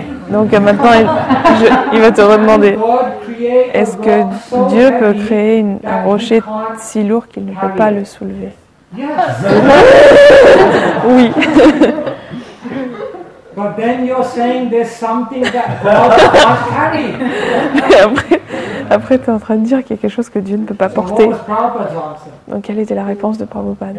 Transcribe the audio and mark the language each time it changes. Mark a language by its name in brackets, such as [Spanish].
[French] Donc maintenant, il va te redemander, est-ce que Dieu peut créer un rocher si lourd qu'il ne peut pas le soulever? Oui. [English] But then you're saying there's something that God can't carry. [French] Après, tu es en train de dire qu'il y a quelque chose que Dieu ne peut pas porter. Donc, quelle était la réponse de Prabhupada?